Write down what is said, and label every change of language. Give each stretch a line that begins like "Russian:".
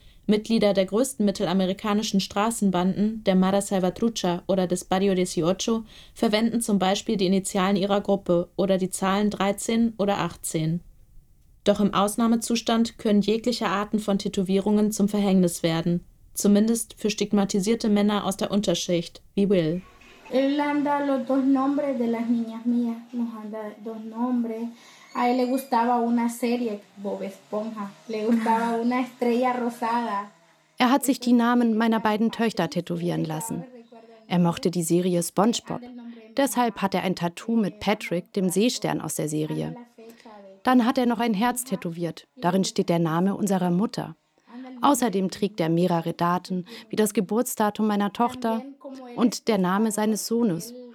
German: Mitglieder der größten mittelamerikanischen Straßenbanden, der Mara Salvatrucha oder des Barrio 18, verwenden zum Beispiel die Initialen ihrer Gruppe oder die Zahlen 13 oder 18. Doch im Ausnahmezustand können jegliche Arten von Tätowierungen zum Verhängnis werden. Zumindest für stigmatisierte Männer aus der Unterschicht, wie Will.
Spanish: Él anda los dos nombres de las niñas mías, nos anda dos nombres. A él le gustaba una serie, Bob Esponja, le gustaba una estrella rosada.
German: Er hat sich die Namen meiner beiden Töchter tätowieren lassen. Er mochte die Serie SpongeBob. Deshalb hat er ein Tattoo mit Patrick, dem Seestern aus der Serie. Dann hat er noch ein Herz tätowiert. Darin steht der Name unserer Mutter. Außerdem trägt er mehrere Daten, wie das Geburtsdatum meiner Tochter und der Name seines Sohnes.